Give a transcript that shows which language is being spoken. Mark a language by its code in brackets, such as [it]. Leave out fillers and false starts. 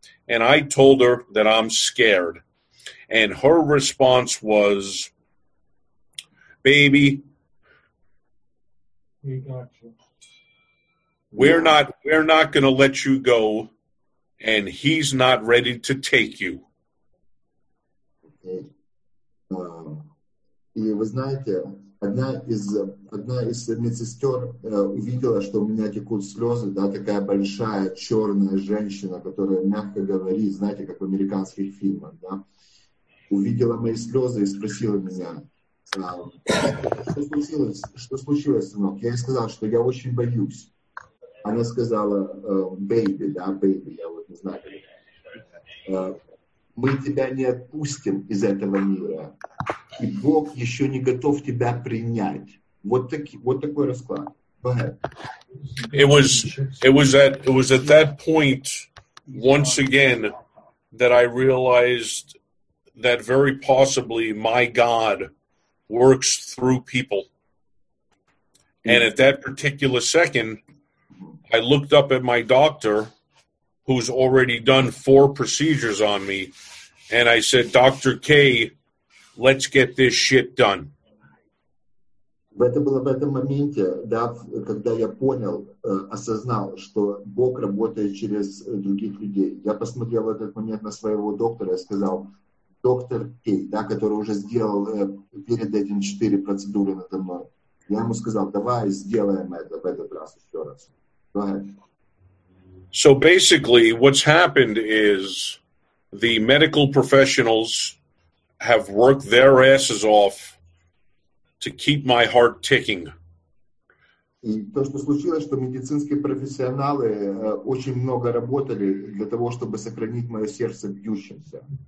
[en] And I told her that I'm scared. And her response was, "Baby, we got you. We're not going to let you go, and he's not ready to take you." [ru] И вы знаете, одна из медсестер увидела, что у меня текут слезы, да, такая большая черная женщина, которая мягко говорит, знаете, как в американских фильмах, да, увидела мои слезы и спросила меня, что случилось, сынок? Я ей сказал, что я очень боюсь. Она сказала, baby, я вот не знаю, как это. Мы тебя не отпустим из этого мира, и Бог еще не готов тебя принять. Вот такой расклад. [en] It was at that point, once again, that I realized that very possibly my God works through people. And at that particular second, I looked up at my doctor, who's already done 4 procedures on me. And I said, "Dr. K, let's get this shit done." [ru] Это было в этом моменте, да, когда я понял, осознал, что Бог работает через других людей. Я посмотрел в этот момент на своего доктора и сказал, "Доктор К, да, который уже сделал перед этим 4 процедуры надо мной." Я ему сказал, "Давай сделаем это в этот раз еще раз." [en] So basically, what's happened is the medical professionals have worked their asses off to keep my heart ticking. [ru] И то, что случилось, что медицинские профессионалы очень много работали для того, чтобы сохранить мое сердце бьющимся.